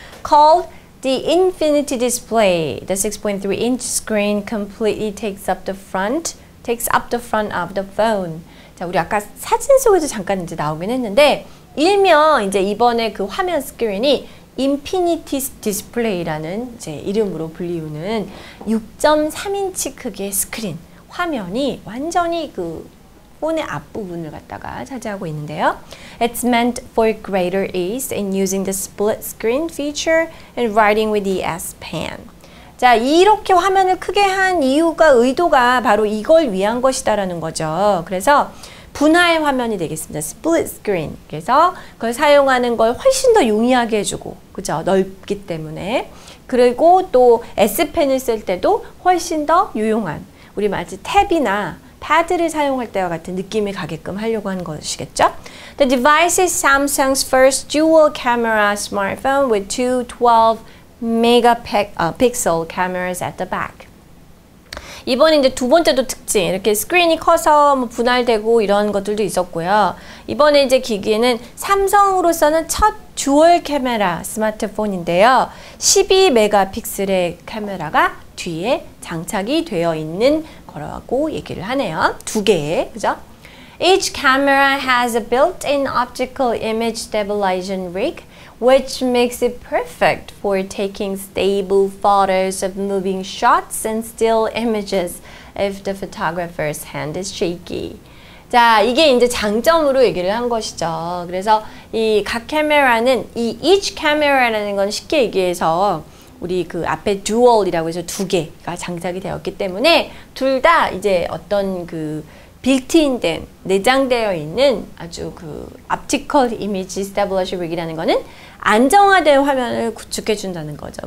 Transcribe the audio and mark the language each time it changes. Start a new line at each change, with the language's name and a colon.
English: Called the Infinity Display, the 6.3-inch screen completely takes up the front of the phone.
Korean: 자, 우리 아까 사진 속에서 잠깐 이제 나오긴 했는데 일명 이제 이번에 그 화면 스크린이 Infinity Display라는 이제 이름으로 불리우는 6.3인치 크기의 스크린 화면이 완전히 그 폰의 앞부분을 갖다가 차지하고 있는데요.
English: It's meant for greater ease in using the split screen feature and writing with the S Pen.
Korean: 자, 이렇게 화면을 크게 한 이유가 의도가 바로 이걸 위한 것이다라는 거죠. 그래서 분할 화면이 되겠습니다.
English: Split screen.
Korean: 그래서 그걸 사용하는 걸 훨씬 더 용이하게 해주고, 그죠? 넓기 때문에. 그리고 또 S Pen을 쓸 때도 훨씬 더 유용한. 우리 마치 탭이나 패드를 사용할 때와 같은 느낌이 가게끔 하려고 한 것이겠죠?
English: The device is Samsung's first dual camera smartphone with two 12-megapixel cameras at the back.
Korean: 이번 이제 두 번째도 특징, 이렇게 스크린이 커서 뭐 분할되고 이런 것들도 있었고요. 이번에 이제 기기는 삼성으로서는 첫 듀얼 카메라 스마트폰인데요. 12메가픽셀의 카메라가 뒤에 장착이 되어 있는 거라고 얘기를 하네요. 두 개, 그죠?
English: Each camera has a built-in optical image stabilization rig, which makes it perfect for taking stable photos of moving shots and still images if the photographer's hand is shaky.
Korean: 자, 이게 이제 장점으로 얘기를 한 것이죠. 그래서 이 각 카메라는 이
English: each camera
Korean: 라는 건 쉽게 얘기해서 우리 그 앞에 dual이라고 해서 두 개가 장착이 되었기 때문에 둘 다 이제 어떤 그 빌트인된, 내장되어 있는 아주 그 Optical Image Stabilization Rig이라는 거는 안정화된 화면을 구축해준다는 거죠.